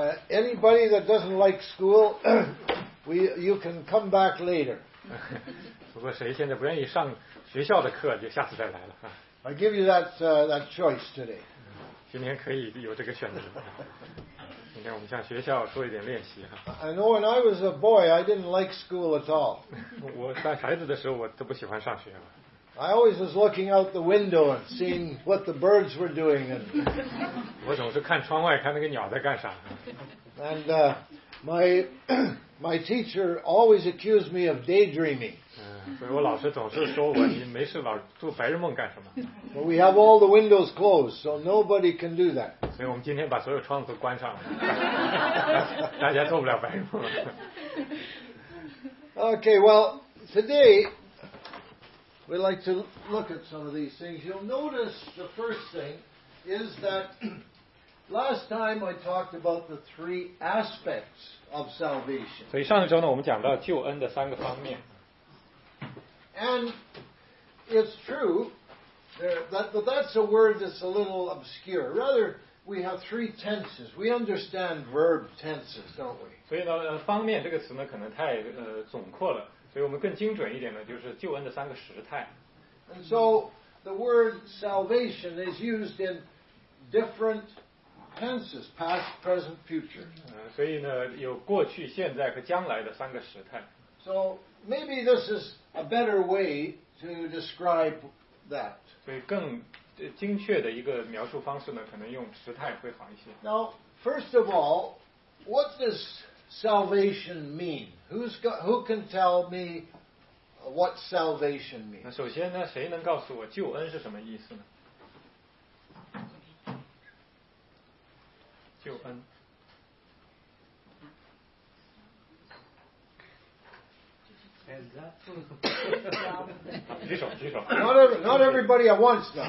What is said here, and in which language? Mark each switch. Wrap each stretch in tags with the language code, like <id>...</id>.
<en>Anybody that doesn't like school, you can come back later.</en> <zh>不过谁现在不愿意上学校的课，就下次再来了。</zh> <en>I give you that choice today.</en> <zh>今天可以有这个选择。今天我们向学校做一点练习哈。</zh> <en>I know when I was a boy, I didn't like school at all.</en> <zh>我在孩子的时候，我都不喜欢上学了。</zh> <en>I always was looking out the window and seeing what the birds were doing.</en> <zh>我总是看窗外，看那个鸟在干啥。</zh> <en>And my teacher always accused me of daydreaming.</en> <zh>所以我老师总是说我，你没事老做白日梦干什么？</zh> <en>Well, we have all the windows closed, so nobody can do that.</en> <zh>所以我们今天把所有窗子都关上了，大家做不了白日梦了。</zh> <en>Okay, well, today we'd like to look at some of these things. You'll notice the first thing is that last time I talked about the three aspects of salvation.</en> <zh>所以上一周呢，我们讲到救恩的三个方面。</zh> <en>And it's true that that's a word that's a little obscure. Rather, we have three tenses. We understand verb tenses, don't we?</en> <zh>所以呢，方面这个词呢，可能太总括了。所以我们更精准一点呢，就是救恩的三个时态。</zh> <en>And so the word salvation is used in different tenses, past, present, future.</en> <zh>所以呢，有过去、现在和将来的三个时态。</zh> <en>So maybe this is a better way to describe that.</en> <zh>所以更精确的一个描述方式呢，可能用时态会好一些。</zh> <en>Now, first of all, what does salvation mean? Who can tell me what salvation means?</en> <zh>那首先呢，谁能告诉我救恩是什么意思呢？救恩。</zh> <en>Not everybody at once, though.</en>